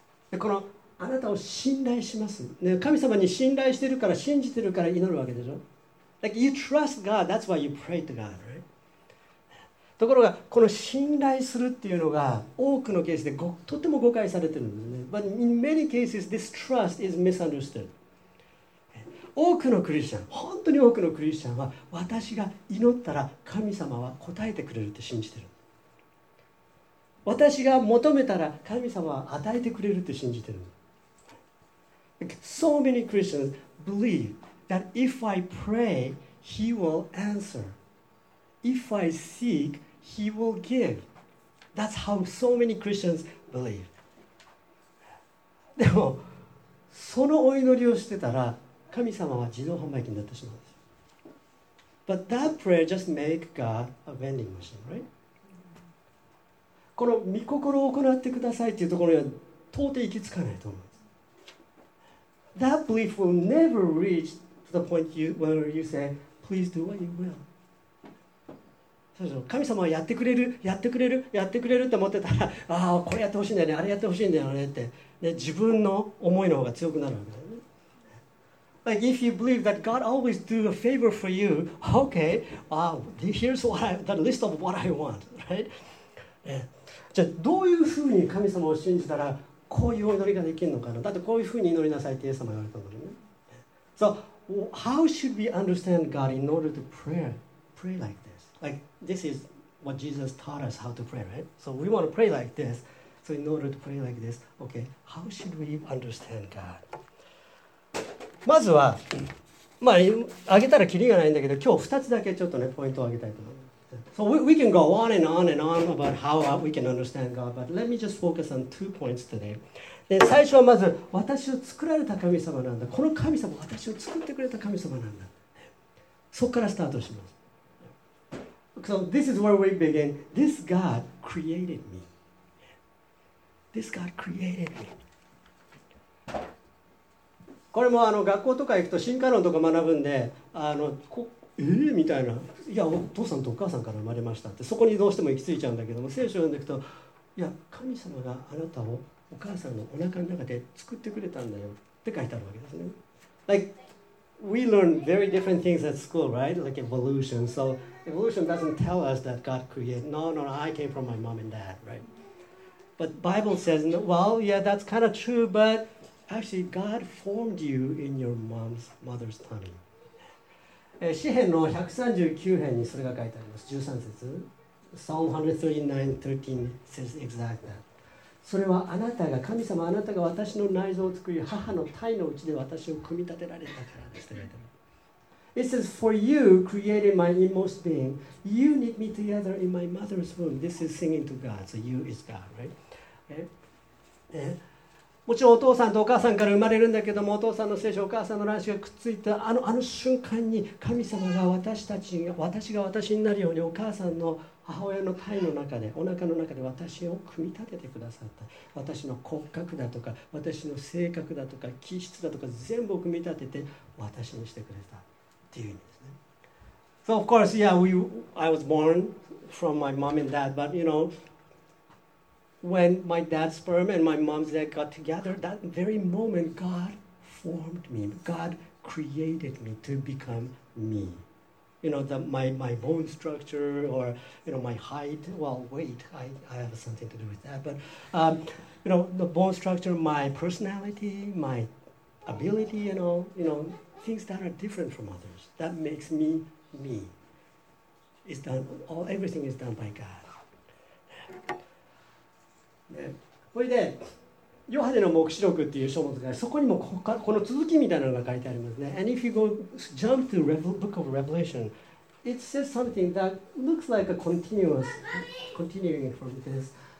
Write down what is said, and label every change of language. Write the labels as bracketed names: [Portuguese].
[Japanese] でこのあなたを信頼します、ね。神様に信頼してるから、信じてるから祈るわけでしょ。 [English] Like you trust God, that's why you pray to God, right? [Japanese] ところがこの信頼するっていうのが多くのケースでとても誤解されてるんですね。 [English] But in many cases, this trust is misunderstood. [Japanese] 多くのクリスチャン、本当に多くのクリスチャンは私が祈ったら神様は答えてくれるって信じてる。私が求めたら神様は与えてくれるって信じてる。 [English] So many Christians believe that if I pray, He will answer. If I seek,He will give. That's how so many Christians believe. [Japanese] でも、そのお祈りをしてたら、神様は自動販売機になってしまうんです。 [English] But that prayer just makes God a vending machine, right? [Japanese] この御心を行ってくださいっていうところには到底行き着かないと思うんです。 [English] That belief will never reach to the point where you say, please do what you will. [Japanese] 神様はやってくれる、やってくれる、やってくれると思ってたら、ああ、これやってほしいんだよね、あれやってほしいんだよねって、ね、自分の思いの方が強くなるわけだよね。 [English] Like, if you believe that God always do a favor for you, okay, wow, here's the list of what I want, right?、 [Japanese] じゃあ、どういうふうに神様を信じたら、こういうお祈りができるのかな。だって、こういうふうに祈りなさいってイエス様が言われたのにね。 [English] So, how should we understand God in order to pray like this? Like, this is what Jesus taught us how to pray, right? So we want to pray like this. So in order to pray like this, okay, how should we understand God? [Japanese] まずは、まあ、あげたらキリがないんだけど、今日2つだけちょっとね、ポイントをあげたいと思います。 [English] So we can go on and on and on about how we can understand God, but let me just focus on two points today. [Japanese] で最初はまず私を作られた神様なんだ、この神様私を作ってくれた神様なんだ、そこからスタートします。 [English] So this is where we begin. This God created me. This God created me. [Japanese] これもあの学校とか行くと進化論とか学ぶんで、あのこみたいな、いやお父さんとお母さんから生まれましたって、そこにどうしても行き着いちゃうんだけども、聖書を読んでいくと、いや神様があなたをお母さんのお腹の中で作ってくれたんだよって書いてあるわけですね。 [English] Like we learn very different things at school, right? Like evolution. So evolution doesn't tell us that God created. No, I came from my mom and dad, right? But Bible says, well, yeah, that's kind of true, but actually God formed you in your mom's mother's tummy. [Japanese] 詩編の139編にそれが書いてあります。 13節。Psalm [English] 139:13 says exactly that. [Japanese] それはあなたが、神様あなたが私の内臓を作り、母の胎のうちで私を組み立てられたからです。 [English] It says, for you created my inmost being. You knit me together in my mother's womb. This is singing to God. So you is God, right? [Japanese] もちろんお父さんとお母さんから生まれるんだけども、お父さんの聖書、お母さんの卵子がくっついたあの瞬間に、神様が私たちが、私が私になるように、お母さんの母親の胎の中で、お腹の中で私を組み立ててくださった。私の骨格だとか、私の性格だとか、気質だとか、全部を組み立てて私にしてくれたっていう意味ですね。 [English] So of course, yeah, I was born from my mom and dad, but you knowWhen my dad's sperm and my mom's egg got together, that very moment, God formed me. God created me to become me. You know, my bone structure or, you know, my height. Well, weight, I have something to do with that. But, you know, the bone structure, my personality, my ability, you know, things that are different from others. That makes me, me. It's done, everything is done by God. [Japanese] ね、それでヨハネの黙示録っていう書物が、そこにも この続きみたいなのが書いてありますね。 [English] And if you go jump to the book of Revelation, it says something that looks like a continuing from this.